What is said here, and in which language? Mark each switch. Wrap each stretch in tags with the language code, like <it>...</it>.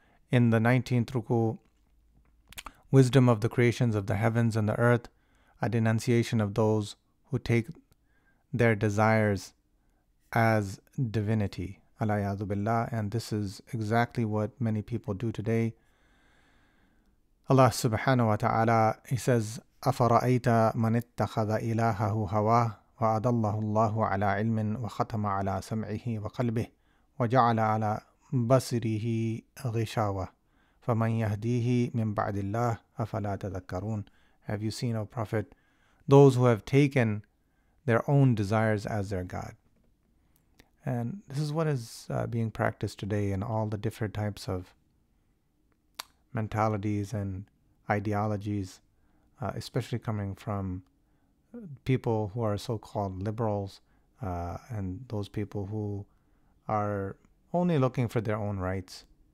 <en>In the 19th ruku, wisdom of the creations of the heavens and the earth, a denunciation of those who take their desires as divinity. Alayyadu billah. And this is exactly what many people do today. Allah subhanahu wa ta'ala, He says,</en> <ar>أَفَرَأَيْتَ مَنِ اتَّخَذَ إِلَاهَهُ هَوَاهُ وَأَضَلَّهُ اللَّهُ عَلَىٰ عِلْمٍ وَخَتَمَ عَلَىٰ سَمْعِهِ وَقَلْبِهِ وَجَعَلَ عَلَىٰ بَصِرِهِ غِشَاوَةِ فَمَنْ يَهْدِيهِ مِنْ بَعْدِ اللَّهِ أَفَلَا تَذَكَّرُونَ.</ar> <en>Have you seen, O Prophet, those who have taken their own desires as their God? And this is what is being practiced today in all the different types of mentalities and ideologies, especially coming from people who are so-called liberals and those people who are only looking for their own rights.</en>